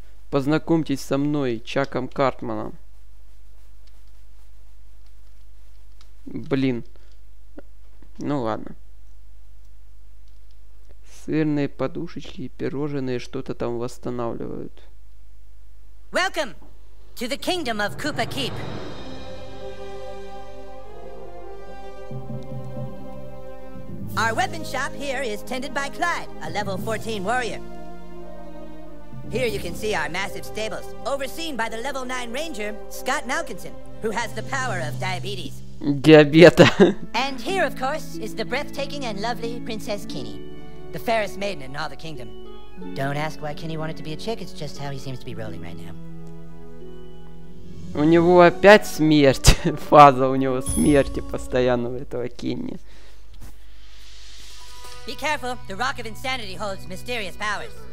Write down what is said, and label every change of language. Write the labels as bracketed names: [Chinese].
[Russian] Познакомьтесь со мной, Чаком Картманом. Блин. Ну ладно. Сырные подушечки и пирожные что-то там восстанавливают. [English] Welcome to the kingdom of Koopa Keep. Our weapon shop here is tended by Clyde, a level 14 warrior. Here you can see our massive stables, overseen by the level 9 ranger, Scott Malkinson, who has the power of diabetes. [Russian] Диабета. [English] And here, of course, is the breathtaking and lovely Princess Kinney, the fairest maiden in all the kingdom. Don't ask why Kinney wanted to be a chick, it's just how he seems to be rolling right now. [Russian] У него опять смерть. Фаза у него смерти постоянно у этого Кинни. [English] Be careful, the Rock of Insanity holds mysterious powers.